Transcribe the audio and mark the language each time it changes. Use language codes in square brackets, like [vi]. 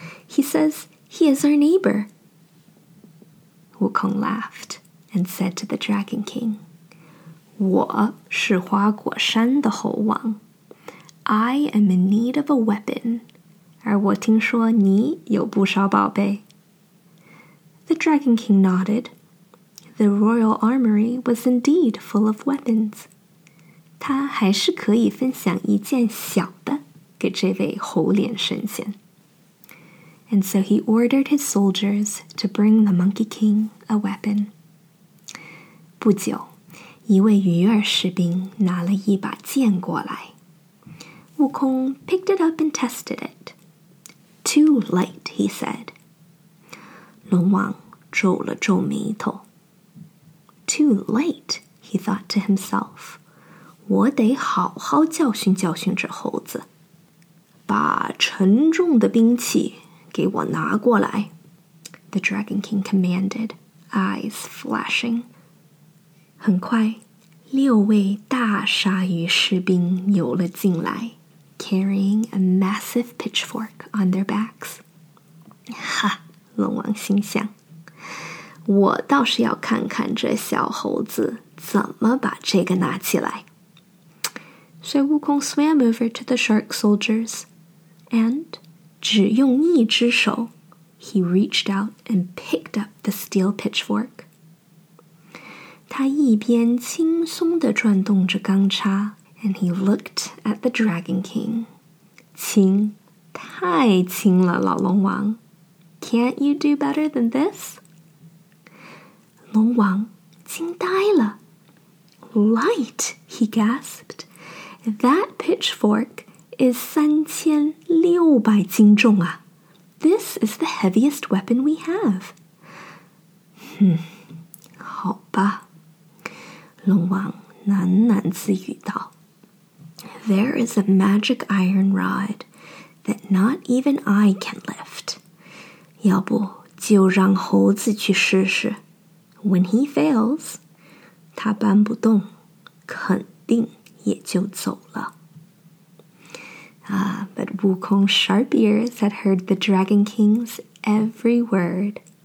[en] He says he is our neighbor. Wukong laughed and said to the Dragon King, [zh] 我是花果山的猴王。 [en] I am in need of a weapon. [zh] 而我听说你有不少宝贝。 [en] The Dragon King nodded. The royal armory was indeed full of weapons. [zh] 他还是可以分享一件小的给这位猴脸神仙。 [en] And so he ordered his soldiers to bring the Monkey King a weapon. [zh] 不久，一位鱼儿士兵拿了一把剑过来。 [en] 悟空 picked it up and tested it. Too light, he said. [zh] 龙王皱了皱眉头。 [en] Too light, he thought to himself. [zh] 我得好好教训教训这猴子。把沉重的兵器给我拿过来。 [en] The Dragon King commanded, eyes flashing. [zh] 很快，六位大鲨鱼士兵游了进来。 [en] Carrying a massive pitchfork on their backs. [zh] 哈，龙王心想，我倒是要看看这小猴子怎么把这个拿起来。 [en] So Wukong swam over to the shark soldiers, and [zh] 只用一只手， [en] he reached out and picked up the steel pitchfork. [zh] 他一边轻松地转动着钢叉。 [en] And he looked at the Dragon King. [zh] 轻，太轻了，老龙王。 [en] Can't you do better than this? [zh] 龙王惊呆了。 [en] Light, he gasped. That pitchfork is 3,600 [zh] 重啊。 [en] This is the heaviest weapon we have. [zh] 好吧。龙王喃喃自语道。 [en] There is a magic iron rod that not even I can lift. [zh] 要不就让猴子去试试。 [en] When he fails, [zh] 他搬不动，肯定也就走了。 [en] But Wukong's sharp ears had heard the Dragon King's every word.